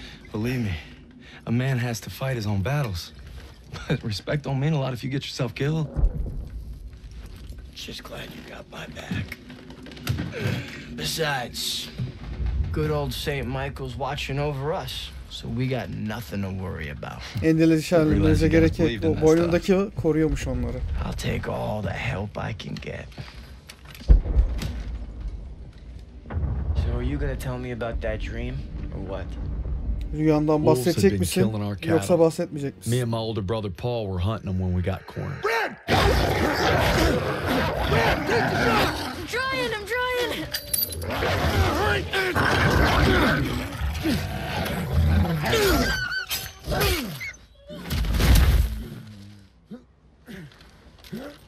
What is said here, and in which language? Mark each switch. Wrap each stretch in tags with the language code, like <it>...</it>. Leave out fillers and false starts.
<en>Believe me, a man has to fight his own battles. But respect don't mean a lot if you get yourself killed. Just glad you got my back. Besides, good old St. Michael's watching over us, so we got nothing to worry about.</en> <tr>Endişelenmenize gerek yok. Boynundaki koruyormuş onları.</tr> <en>I'll take all the help I can get. So are you gonna tell me about that dream?</en> <tr>Rüyandan bahsedecek misin, yoksa bahsetmeyecek misin?</tr> <en>Me and my older brother Paul were hunting them when we got cornered. Red! Red, take the shot!</en>